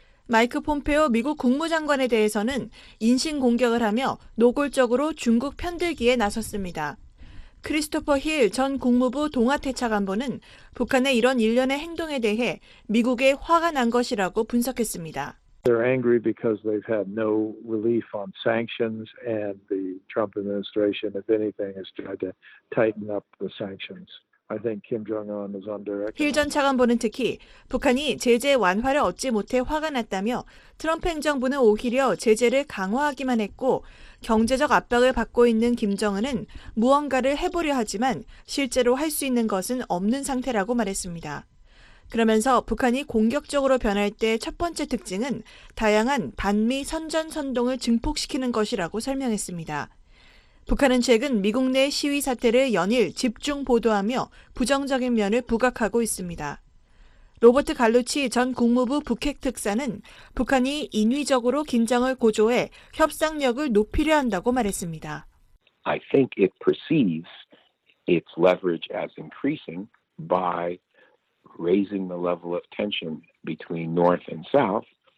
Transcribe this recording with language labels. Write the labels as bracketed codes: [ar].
[ko] 마이크 폼페오 미국 국무장관에 대해서는 인신공격을 하며 노골적으로 중국 편들기에 나섰습니다. 크리스토퍼 힐 전 국무부 동아태차관보는 북한의 이런 일련의 행동에 대해 미국에 화가 난 것이라고 분석했습니다. [en] They're angry because they've had no relief on sanctions and the Trump administration, if anything, has tried to tighten up the sanctions. I think Kim Jong-un is under. [ko] 힐 전 차관보는 특히 북한이 제재 완화를 얻지 못해 화가 났다며 트럼프 행정부는 오히려 제재를 강화하기만 했고 경제적 압박을 받고 있는 김정은은 무언가를 해보려 하지만 실제로 할 수 있는 것은 없는 상태라고 말했습니다. 그러면서 북한이 공격적으로 변할 때 첫 번째 특징은 다양한 반미 선전 선동을 증폭시키는 것이라고 설명했습니다. 북한은 최근 미국 내 시위 사태를 연일 집중 보도하며 부정적인 면을 부각하고 있습니다. 로버트 갈루치 전 국무부 북핵 특사는 북한이 인위적으로 긴장을 고조해 협상력을 높이려 한다고 말했습니다. [en] I think it perceives its leverage as increasing by raising the level of tension between North and South.